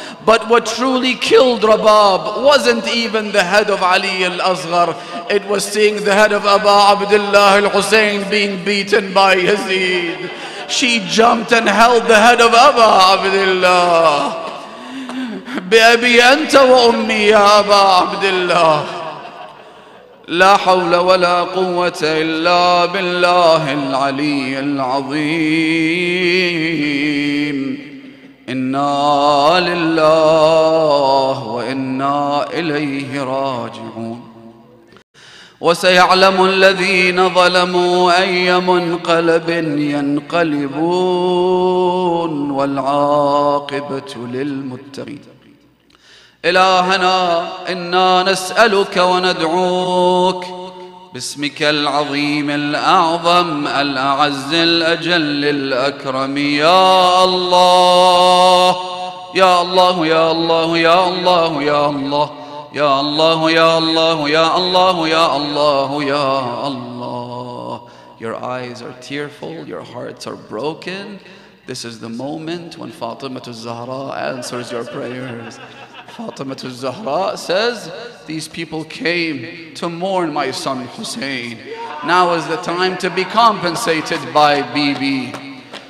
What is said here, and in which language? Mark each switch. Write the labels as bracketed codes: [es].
[en] But what truly killed Rabab wasn't even the head of Ali al-Asghar. It was seeing the head of Aba Abdullah al-Hussein being beaten by Yazid. She jumped and held the head of Aba Abdullah. [ar] بأبي أنت وأمي يا أبا عبد الله لا حول ولا قوة إلا بالله العلي العظيم إنا لله وإنا إليه راجعون وسيعلم الذين ظلموا أي منقلب ينقلبون والعاقبة للمتقين إلهنا إنا نسألك وندعوك باسمك العظيم الأعظم الأعز الأجل الأكرم يا الله يا الله يا الله يا الله يا الله يا الله يا الله يا الله يا الله يا الله. [en] Your eyes are tearful, your hearts are broken. This is the moment when Fatima al-Zahra answers your prayers. Fatima al-Zahra says, these people came to mourn my son Hussein. Now is the time to be compensated by Bibi.